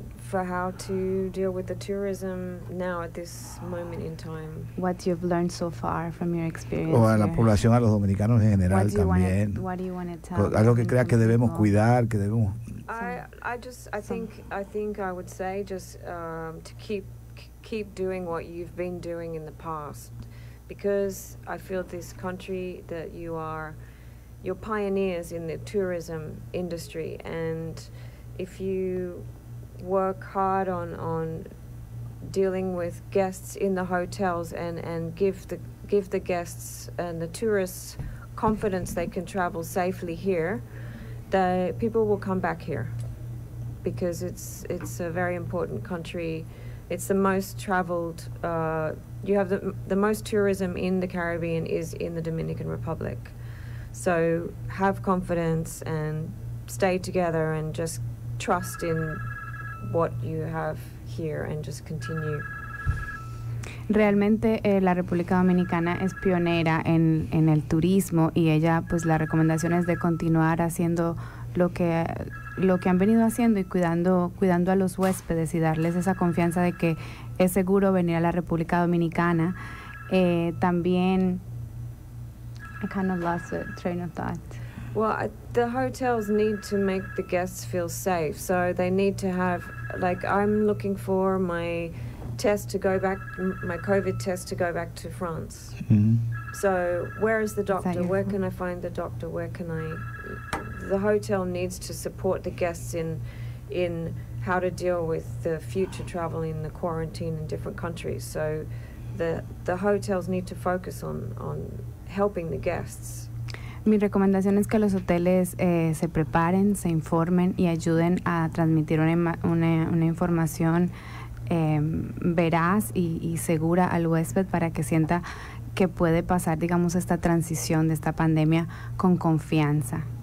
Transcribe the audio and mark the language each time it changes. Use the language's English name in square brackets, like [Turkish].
[English] For how to deal with the tourism now at this moment in time. What you've learned so far from your experience. [Spanish] O a la población, a los dominicanos en general también. [English] What do you want to tell? [Spanish] Algo que creas que debemos cuidar, que debemos. [English] I think I would say just to keep keep doing what you've been doing in the past, because I feel this country that you are, you're pioneers in the tourism industry, and if you work hard on dealing with guests in the hotels and give the guests and the tourists confidence they can travel safely here, the people will come back here, because it's a very important country. It's the most traveled, you have the most tourism in the Caribbean is in the Dominican Republic. So have confidence and stay together and just trust in what you have here and just continue. [Spanish] Realmente la República Dominicana es pionera en el turismo, y ella, pues la recomendación es de continuar haciendo lo que han venido haciendo y cuidando a los huéspedes y darles esa confianza de que es seguro venir a la República Dominicana. También, [English] I kind of lost the train of thought. Well, the hotels need to make the guests feel safe, so they need to have, like, I'm looking for my test to go back, my COVID test to go back to France. Mm-hmm. So where is the doctor? Where can I find the doctor? Where can I... The hotel needs to support the guests in how to deal with the future travel in the quarantine in different countries. So the hotels need to focus on helping the guests. [Spanish] Mi recomendación es que los hoteles se preparen, se informen y ayuden a transmitir una información veraz y segura al huésped, para que sienta que puede pasar, digamos, esta transición de esta pandemia con confianza.